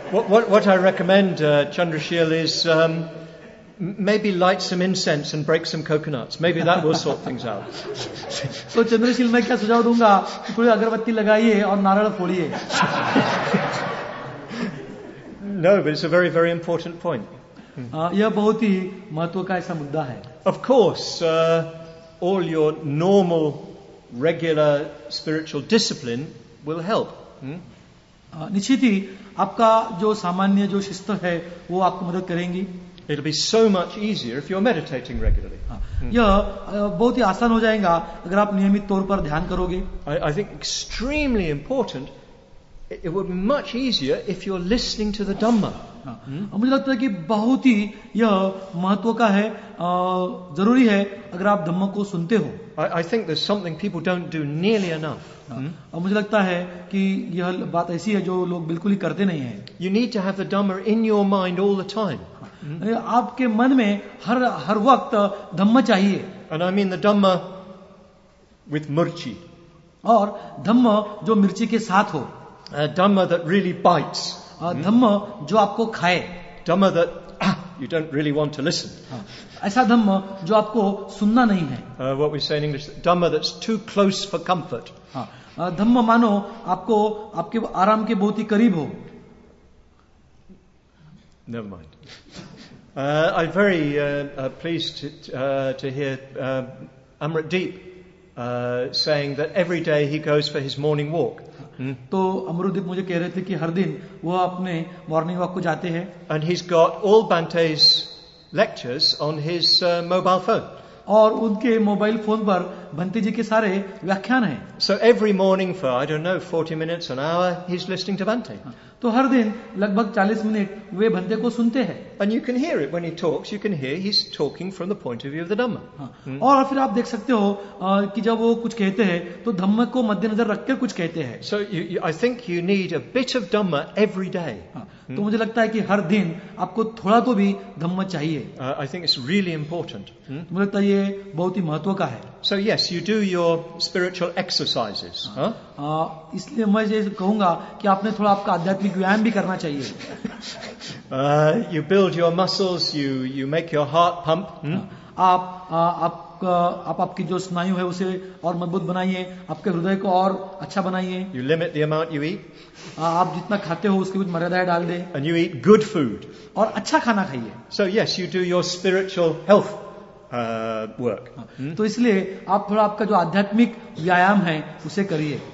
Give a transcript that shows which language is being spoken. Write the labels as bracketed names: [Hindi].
[English] What I recommend, Chandrashil, is maybe light some incense and break some coconuts. Maybe that will sort things out. [Hindi] So Chandrashil, मैं क्या सुझाव दूंगा? थोड़ी अगरबत्ती लगाइए और नारियल फोड़िए. [English] No, but it's a very, very important point. [Hindi] यह बहुत ही महत्व का ऐसा मुद्दा है. [English] Of course, all your normal, regular spiritual discipline will help. [Hindi] निश्चित ही आपका जो सामान्य जो शिस्त है वो आपको मदद करेंगी. [English] It'll be so much easier if you're meditating regularly. [Hindi] यह बहुत ही आसान हो जाएगा अगर आप नियमित तौर पर ध्यान करोगे. [English] I think extremely important. It would be much easier if you're listening to the Dhamma. [Hindi] मुझे लगता है कि बहुत ही यह महत्व का है, जरूरी है अगर आप धम्म को सुनते हो. [English] I think there's something people don't do nearly enough. [Hindi] और मुझे लगता है कि यह बात ऐसी है जो लोग बिल्कुल ही करते नहीं है. [English] You need to have the Dhamma in your mind all the time. [Hindi] आपके मन में हर वक्त धम्म चाहिए. [English] And I mean the Dhamma with mirchi. [Hindi] और धम्म जो मिर्ची के साथ हो. [English] Dhamma that really bites. [Hindi] धम्म जो आपको खाए. [English] Dhamma that you don't really want to listen. [Hindi] ऐसा धम्म जो आपको सुनना नहीं है. [English] What we say in English, Dhamma that's too close for comfort. [Hindi] धम्म मानो आपको आपके आराम के बहुत ही करीब हो. [English] Never mind. I'm very pleased to hear Amrit Deep saying that every day he goes for his morning walk. [Hindi] तो अमरुद्दीप मुझे कह रहे थे कि हर दिन वह अपने मॉर्निंग वॉक को जाते हैं. [English] And he's got all Bhante's lectures on his mobile phone. [Hindi] और उनके मोबाइल फोन पर भंते जी के सारे व्याख्यान हैं. [English] So every morning for I don't know 40 minutes an hour he's listening to Bhante. [Hindi] तो हर दिन लगभग 40 मिनट वे भंते को सुनते हैं. [English] And you can hear it when he talks. You can hear he's talking from the point of view of the Dhamma. [Hindi] और फिर आप देख सकते हो कि जब वो कुछ कहते हैं तो धम्म को मद्देनजर रखकर कुछ कहते हैं. [English] So I think you need a bit of Dhamma every day. [Hindi] तो मुझे लगता है कि हर दिन आपको थोड़ा तो भी धम्म चाहिए. [English] I think it's really important. [Hindi] मुझे लगता है ये बहुत ही महत्व का है. [English] So yes, you do your spiritual exercises. [Hindi] इसलिए मैं ये कहूंगा कि आपने थोड़ा आपका आध्यात्मिक व्यायाम भी करना चाहिए. [English] You build your muscles, you make your heart pump. [Hindi] आप आपकी जो स्नायु है उसे और मजबूत बनाइए, आपके हृदय को और अच्छा बनाइए. [English] You limit the amount you eat. [Hindi] आप जितना खाते हो उसकी कुछ मर्यादाएं डाल दें. [English] And you eat good food. [Hindi] और अच्छा खाना खाइए. [English] So yes, you do your spiritual health work. [Hindi] तो इसलिए आप थोड़ा आपका जो आध्यात्मिक व्यायाम है उसे करिए.